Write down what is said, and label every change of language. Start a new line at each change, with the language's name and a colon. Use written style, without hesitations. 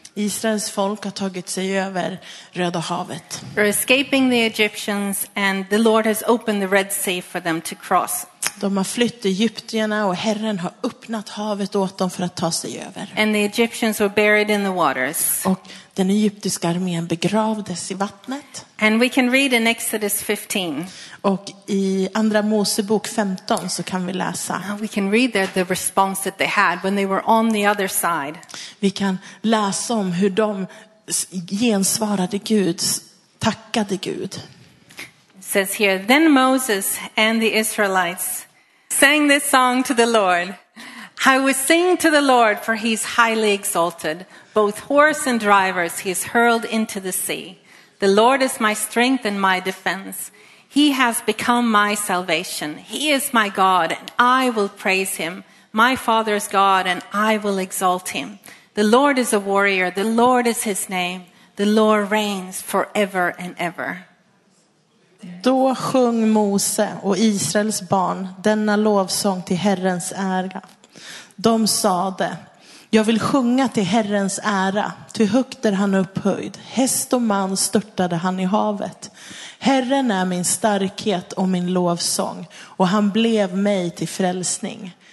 Swedish: Israels folk har tagit sig över Röda havet.
English: They're escaping the Egyptians and the Lord has opened the Red Sea for them to cross.
Swedish: De har flytt egyptierna och Herren har öppnat havet åt dem för att ta sig över.
English: And the Egyptians were buried in the waters.
Swedish: Och den egyptiska armén begravdes i vattnet.
English: And we can read in Exodus 15.
Swedish: Och i andra Mosebok 15 så kan vi läsa.
English: We can read there the response that they had when they were on the other side.
Swedish: Vi kan läsa om hur de gensvarade Gud, tackade Gud.
English: Says here, then Moses and the Israelites sang this song to the Lord. I will sing to the Lord, for he's highly exalted. Both horse and drivers he is hurled into the sea. The Lord is my strength and my defense. He has become my salvation. He is my God, and I will praise him. My father's God, and I will exalt him. The Lord is a warrior. The Lord is his name. The Lord reigns forever and ever.
Swedish: Då sjung Mose och Israels barn denna lovsång till Herrens ära. De sade, jag vill sjunga till Herrens ära, till högt är han upphöjd. Häst och man störtade han i havet. Herren är min starkhet och min lovsång, och han blev mig till frälsning.